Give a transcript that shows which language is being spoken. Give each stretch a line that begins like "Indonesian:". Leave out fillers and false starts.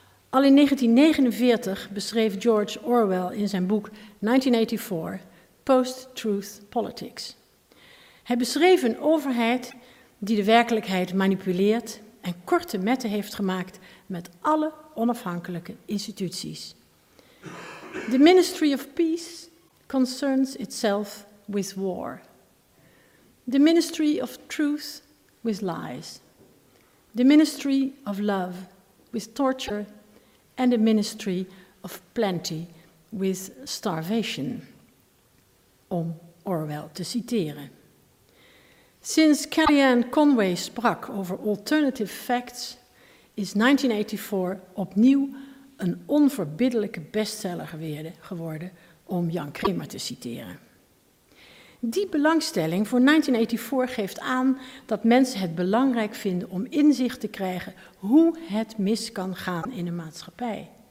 Dutch: Al in 1949 beschreef George Orwell in zijn boek 1984 Post-Truth Politics. Hij beschreef een overheid die de werkelijkheid manipuleert en korte metten heeft gemaakt met alle onafhankelijke instituties.
English: The Ministry of Peace concerns itself with war. The Ministry of Truth with lies. The Ministry of Love with torture. And the Ministry of Plenty with starvation.
Dutch: Om Orwell te citeren. Sinds Kellyanne Conway sprak over alternative facts, is 1984 opnieuw een onverbiddelijke bestseller geworden, om Jan Kramer te citeren. Die belangstelling voor 1984 geeft aan dat mensen het belangrijk vinden om inzicht te krijgen hoe het mis kan gaan in de maatschappij.